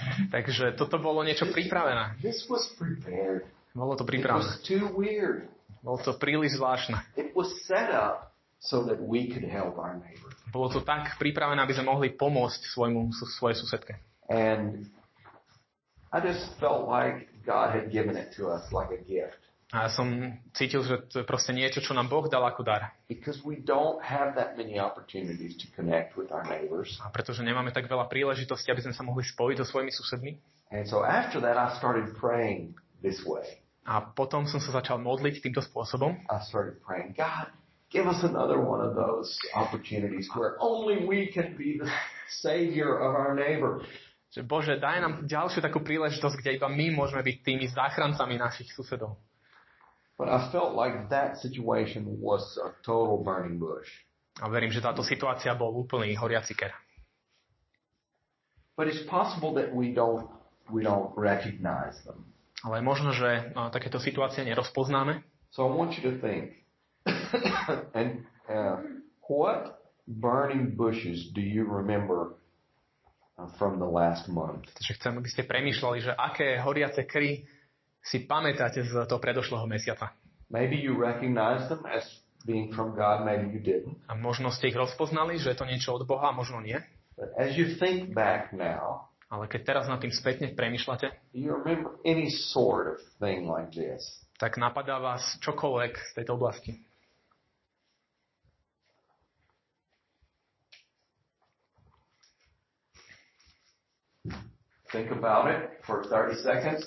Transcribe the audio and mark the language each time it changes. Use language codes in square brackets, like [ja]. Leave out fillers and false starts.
[sk] Takže toto bolo niečo pripravené. [en] This was prepared. [sk] Bolo to pripravené. [en] It was too weird. [sk] Bolo to príliš zvláštne. [en] It was set up so that we could help our neighbor. [sk] Bolo to tak pripravené, aby sme mohli pomôcť svojej susedke. [en] And I just felt like God had given it to us like a gift. [sk] A ja som cítil, že to je proste niečo, čo nám Boh dal ako dar. [en] Because we don't have that many opportunities to connect with our neighbors. [sk] A pretože nemáme tak veľa príležitostí, aby sme sa mohli spojiť so svojimi susedmi. [en] And so after that I started praying this way. [sk] A potom som sa začal modliť týmto spôsobom. [en] I started praying, God, give us another one of those opportunities where only we can be the savior of our neighbor. [sk] Že Bože, daj nám ďalšiu takú príležitosť, kde iba my môžeme byť tými záchrancami našich susedov. [en] But I felt like that situation was a total burning bush. [sk] A verím, že táto situácia bol úplný horiaci ker. [en] But it's possible that we don't recognize them. [sk] Ale je možno, že takéto situácie nerozpoznáme. [en] So I want you to think. And what burning bushes do you remember from the last month? [sk] Takže chcem, aby ste premýšľali, že aké horiace kry si pamätáte z toho predošlého mesiaca. [en] Maybe you recognize them as being from God, maybe you didn't. [sk] A možno ste ich rozpoznali, že je to niečo od Boha, možno nie. [en] But as you think back now, [sk] ale keď teraz nad tým spätne premýšľate, [en] you remember any sort of thing like this. [sk] Tak napadá vás čokoľvek z tejto oblasti. [en] Think about it for 30 seconds.